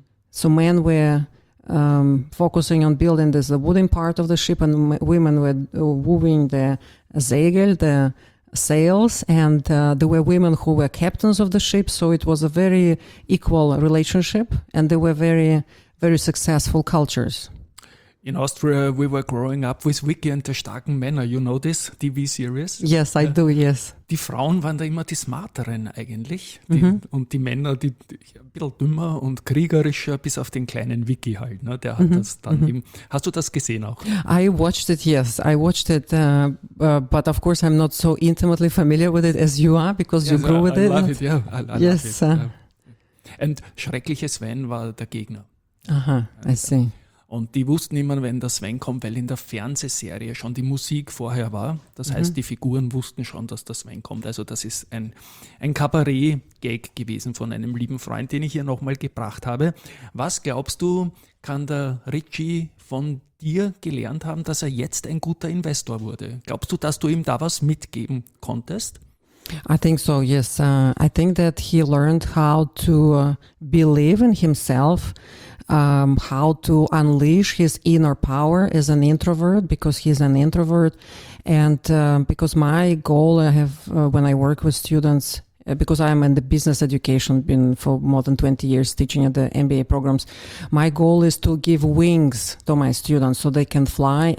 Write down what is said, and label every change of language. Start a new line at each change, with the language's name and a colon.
English: So men were focusing on building this the wooden part of the ship, and women were wooing the segel, the sails, and there were women who were captains of the ship, so it was a very equal relationship, and they were very, very successful cultures. In Austria, we were growing up with Vicky and the starken Männer. You know this TV series? Yes, I do, yes.
German: Die Frauen waren da immer die smarteren eigentlich. Die, mm-hmm. Und die Männer, die ein bisschen dümmer und kriegerischer, bis auf den kleinen Vicky halt. Ne? Der hat mm-hmm. das dann mm-hmm. eben. Hast du das gesehen auch?
English: I watched it, yes. I watched it, but of course I'm not so intimately familiar with it as you are, because you grew with it. I love it.
German: And schreckliche Sven war der Gegner.
English: Aha, I see.
German: Und die wussten immer, wenn der Sven kommt, weil in der Fernsehserie schon die Musik vorher war. Das mhm. heißt, die Figuren wussten schon, dass der Sven kommt. Also das ist ein Kabarett-Gag gewesen von einem lieben Freund, den ich hier nochmal gebracht habe. Was glaubst du, kann der Richie von dir gelernt haben, dass er jetzt ein guter Investor wurde? Glaubst du, dass du ihm da was mitgeben konntest?
English: I think so, yes. I think that he learned how to believe in himself, how to unleash his inner power as an introvert, because he's an introvert. And because my goal I have when I work with students, because I'm in the business education, been for more than 20 years teaching at the MBA programs, my goal is to give wings to my students so they can fly.